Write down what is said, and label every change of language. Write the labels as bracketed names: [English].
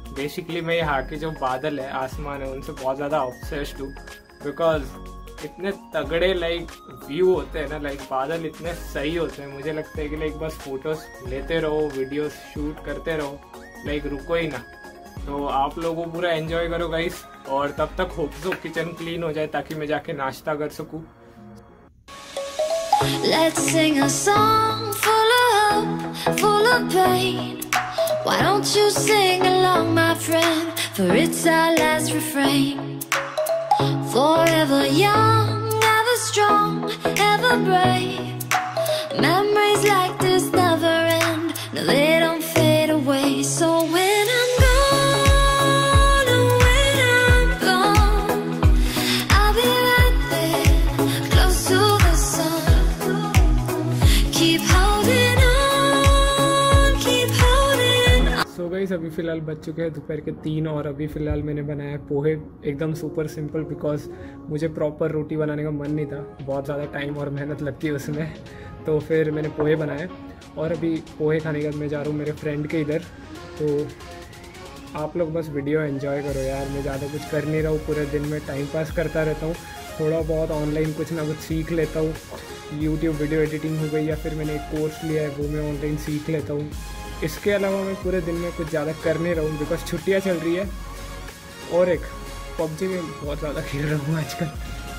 [Hindi] Basically मैं यहाँ के जो बादल है, आसमान है, उनसे बहुत ज़्यादा ऑब्सेस्ड हूँ बिकॉज इतने तगड़े व्यू होते हैं ना, बादल इतने सही होते हैं, मुझे लगता है कि बस फोटोज लेते रहो, वीडियोस शूट करते रहो, रुको ही ना। तो आप लोगों पूरा एंजॉय करो गाइस और तब तक होप सो किचन क्लीन हो जाए ताकि मैं जाके नाश्ता कर सकूं। [English] Let's sing a song full of hope, full of pain. Why don't you sing along my friend, for it's our last refrain. Forever young, ever strong, ever brave. Memories like this never end, no they don't fade away. So when I'm gone, when I'm gone, I'll be right there, close to the sun. Keep holding on, keep holding on. So guys, [Hindi] अभी फिलहाल बज चुके हैं दोपहर के 3 और अभी फिलहाल मैंने बनाया पोहे, एकदम सुपर सिंपल बिकॉज मुझे प्रॉपर रोटी बनाने का मन नहीं था, बहुत ज़्यादा टाइम और मेहनत लगती है उसमें, तो फिर मैंने पोहे बनाए और अभी पोहे खाने के बाद मैं जा रहा हूँ मेरे फ्रेंड के इधर। तो आप लोग बस वीडियो एंजॉय करो यार, मैं ज़्यादा कुछ कर नहीं रहा हूँ, पूरे दिन में टाइम पास करता रहता हूँ, थोड़ा बहुत ऑनलाइन कुछ ना कुछ सीख लेता हूँ, यूट्यूब वीडियो एडिटिंग हो गई या फिर मैंने एक कोर्स लिया है वो मैं ऑनलाइन सीख लेता हूँ, इसके अलावा मैं पूरे दिन में कुछ ज़्यादा कर नहीं रहा हूँ बिकॉज छुट्टियाँ चल रही है और एक पबजी में बहुत ज़्यादा खेल रहा हूँ आजकल।